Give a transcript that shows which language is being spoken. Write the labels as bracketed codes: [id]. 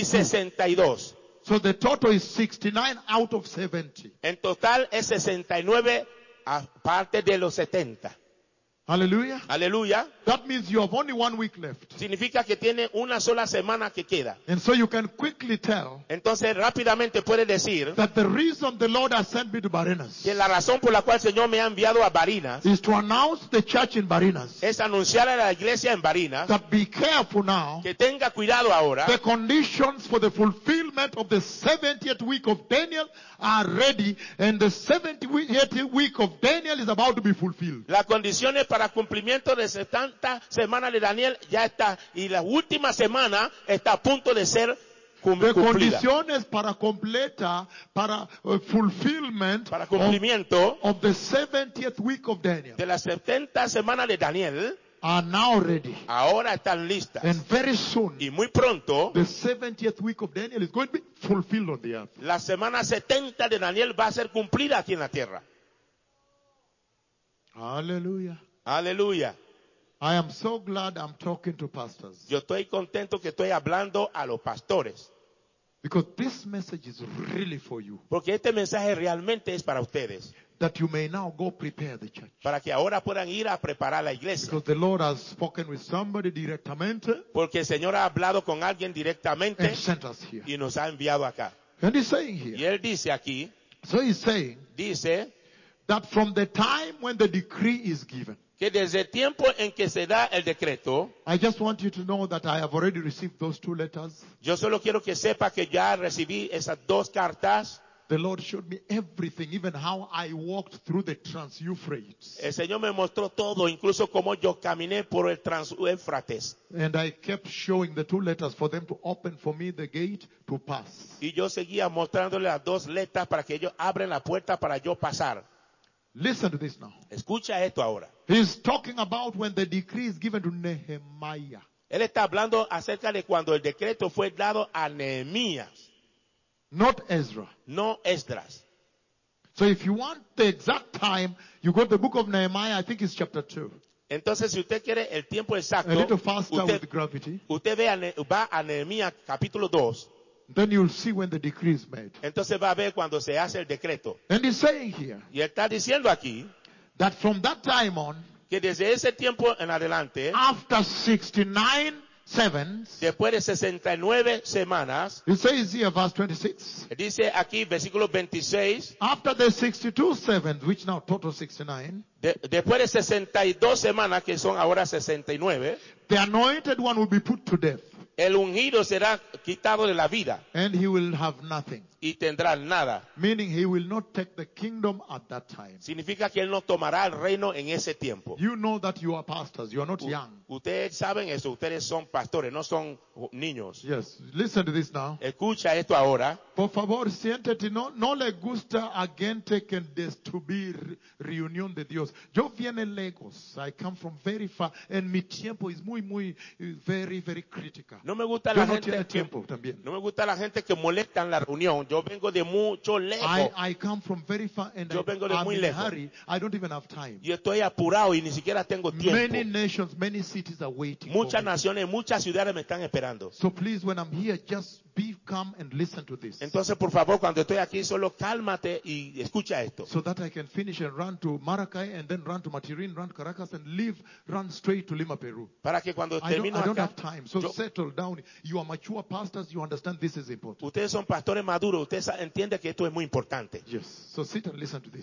[es] Y 62. [en] So the total is 69 out of 70. [es] En total es 69 aparte de los 70. Aleluya. Aleluya. [en] That means you have only 1 week left. [es] Significa que tiene una sola semana que queda. [en] And so you can quickly tell. [es] Entonces rápidamente puede decir. [en] That the reason the Lord has sent me to Barinas. [es] Que la razón por la cual el Señor me ha enviado a Barinas. [en] Is to announce the church in Barinas. [es] Es anunciar a la iglesia en Barinas. [en] That be careful now. [es] Que tenga cuidado ahora. [en] The conditions for the fulfillment of the 70th week of Daniel are ready, and the 78th week of Daniel is about to be fulfilled. [es] Las condiciones para cumplimiento de 70 semanas de Daniel ya está, y la última semana está a punto de ser cumplida. De condiciones para completa, para fulfillment, para cumplimiento [en] of the 70th week of Daniel. [es] De la 70 semana de Daniel. [en] Are now ready. [es] Ahora están listas. [en] And very soon. [es] Y muy pronto. [en] The 70th week of Daniel is going to be fulfilled on the earth. [es] La semana 70 de Daniel va a ser cumplida aquí en la tierra. Aleluya. Aleluya. [en] I am so glad I'm talking to pastors. [es] Yo estoy contento que estoy hablando a los pastores. [en] Because this message is really for you. [es] Porque este mensaje realmente es para ustedes. [en] That you may now go prepare the church. [es] Para que ahora puedan ir a preparar la iglesia. [en] Because the Lord has spoken with somebody directamente. [es] Porque el Señor ha hablado con alguien directamente. [en] And sent us here. [es] Y nos ha enviado acá. [en] And he's saying here. [es] Y él dice aquí. [en] So he's saying. [es] Dice. [en] That from the time when the decree is given. [es] Que desde el tiempo en que se da el decreto. [en] I just want you to know that I have already received those two letters. [es] Yo solo quiero que sepa que ya recibí esas dos cartas. [en] The Lord showed me everything, even how I walked through the Trans-Euphrates. [es] El Señor me mostró todo, incluso cómo yo caminé por el Trans-Euphrates. [en] And I kept showing the two letters for them to open for me the gate to pass. [es] Y yo seguía mostrándole las dos letras para que ellos abren la puerta para yo pasar. [en] Listen to this now. [es] Escucha esto ahora. [en] He's talking about when the decree is given to Nehemiah. [es] Él está hablando acerca de cuando el decreto fue dado a Nehemías. [en] Not Ezra. [es] No Esdras. [en] So if you want the exact time, you go to the book of Nehemiah, I think it's chapter 2. [es] Entonces, si usted quiere el tiempo exacto, [en] a little faster usted, with gravity. [es] Usted ve a va a Nehemiah capítulo 2. [en] Then you'll see when the decree is made. [es] Entonces va a ver cuando se hace el decreto. [en] And he's saying here. [es] Y está diciendo aquí. [en] That from that time on. [es] Que desde ese tiempo en adelante. [en] After 69 sevens, [es] después de 69 semanas, [en] it says here, verse 26, [es] dice aquí, versículo 26, [en] after the 62 sevens, which now total 69, [es] después de 62 semanas, que son ahora 69, [en] the anointed one will be put to death. [es] El ungido será quitado de la vida. [en] And he will have nothing. [es] Y tendrá nada. [en] Meaning he will not take the kingdom at that time. [es] Significa que él no tomará el reino en ese tiempo. [en] You know that you are pastors. You are not young. [es] Ustedes saben eso. Ustedes son pastores, no son niños. [en] Yes. Listen to this now. [es] Escucha esto ahora. Por favor, siéntete. No, no le gusta a gente que destruir reunión de Dios. Yo viene lejos. [en] I come from very far. And [es] mi tiempo es muy, muy, [en] very, very critical. [es] No me gusta la no gente tiene tiempo también. No me gusta la gente que molesta en la reunión. Yo vengo de mucho lejos. [en] I come from very far and [es] yo vengo de [en] I'm [es] muy [en] in [es] lejos. [en] Hurry. I don't even have time. [es] Yo estoy apurado y ni siquiera tengo tiempo. [en] Many nations, many cities are waiting. [es] Muchas naciones, muchas ciudades me están esperando. [en] So please, when I'm here, just be calm and listen to this. [es] Entonces, por favor, cuando estoy aquí, solo cálmate y escucha esto. [en] So that I can finish and run to Maracay and then run to Matirin, run to Caracas and leave, run straight to Lima, Peru. [es] Para que cuando termino [en] I don't have time. So settle down. You are mature pastors. You understand this is important. [es] Ustedes son pastores maduros. Ustedes entienden que esto es muy importante. [en] Yes. So sit and listen to this.